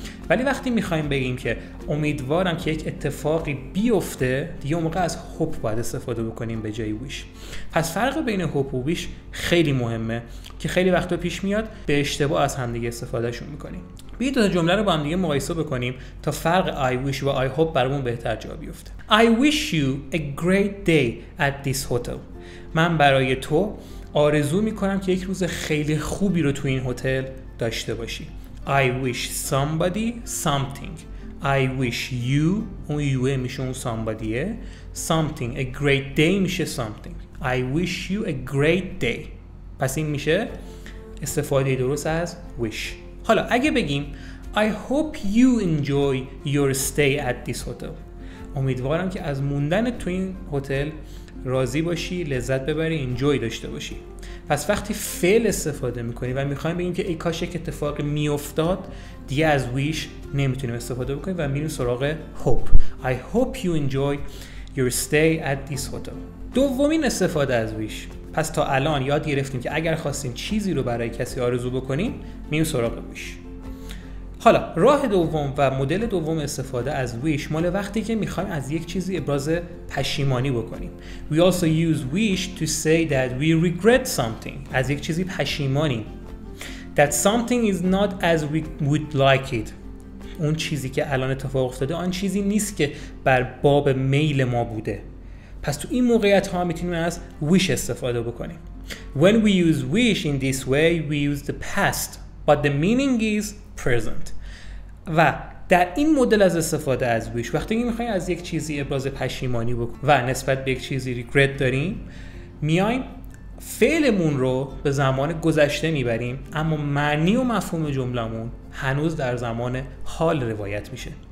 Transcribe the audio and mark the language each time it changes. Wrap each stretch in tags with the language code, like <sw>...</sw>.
<fa>ولی وقتی میخواییم بگیم که امیدوارم که یک اتفاقی بیفته، دیگه اون موقع از hope باید استفاده بکنیم به جای wish. پس فرق بین hope و wish خیلی مهمه که خیلی وقتا پیش میاد به اشتباه از همدیگه استفادهشون میکنیم. بیایید دو جمله رو با هم دیگه مقایسه بکنیم تا فرق I wish و I hope برامون بهتر جا بیفته.</fa> <en>I wish you a great day at this hotel.</en> <fa>من برای تو آرزو میکنم که یک روز خیلی خوبی رو تو این هتل داشته باشی.</fa> <en>I wish somebody something. I wish you، اون you</en> <fa>میشه اون</fa> <en>somebody، something. A great day</en> <fa>میشه</fa> <en>something. I wish you a great day.</en> <fa>پس این میشه استفاده درست از wish. حالا اگه بگیم</fa> <en>I hope you enjoy your stay at this hotel،</en> <fa>امیدوارم که از موندن تو این هتل راضی باشی، لذت ببری، enjoy داشته باشی. پس وقتی فعل استفاده میکنی و میخوایم بگیم که ای کاش یک اتفاق میافتاد، دیگه از wish نمیتونیم استفاده بکنیم و میریم سراغ hope.</fa> <en>I hope you enjoy your stay at this hotel.</en> <fa>دومین استفاده از wish. پس تا الان یاد گرفتیم که اگر خواستیم چیزی رو برای کسی آرزو بکنیم، میریم سراغ wish. حالا راه دوم و مدل دوم استفاده از wish مال وقتی که میخوایم از یک چیزی ابراز پشیمانی بکنیم.</fa> <en>We also use wish to say that we regret something.</en> <fa>از یک چیزی پشیمانیم.</fa> <en>That something is not as we would like it.</en> <fa>اون چیزی که الان اتفاق افتاده آن چیزی نیست که بر باب میل ما بوده. پس تو این موقعیت ها میتونیم از wish استفاده بکنیم.</fa> <en>When we use wish in this way, we use the past, but the meaning is present.</en> <fa>و در این مدل از استفاده از wish، وقتی میخوای از یک چیزی ابراز پشیمانی بکنیم و نسبت به یک چیزی regret داریم، میایم فعلمون رو به زمان گذشته میبریم، اما معنی و مفهوم جملمون هنوز در زمان حال روایت میشه.</fa>